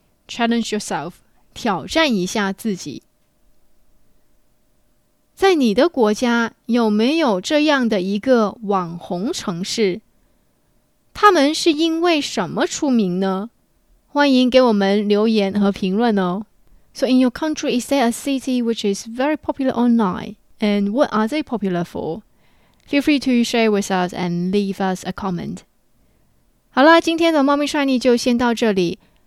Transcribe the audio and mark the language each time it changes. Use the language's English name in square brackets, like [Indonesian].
[English] Challenge yourself, [Chinese] 挑战一下自己。在你的国家，有没有这样的一个网红城市？他们是因为什么出名呢？欢迎给我们留言和评论哦。 [English] So in your country, is there a city which is very popular online? And what are they popular for? Feel free to share with us and leave us a comment. [Chinese] 好了，今天的猫咪帅妮就先到这里。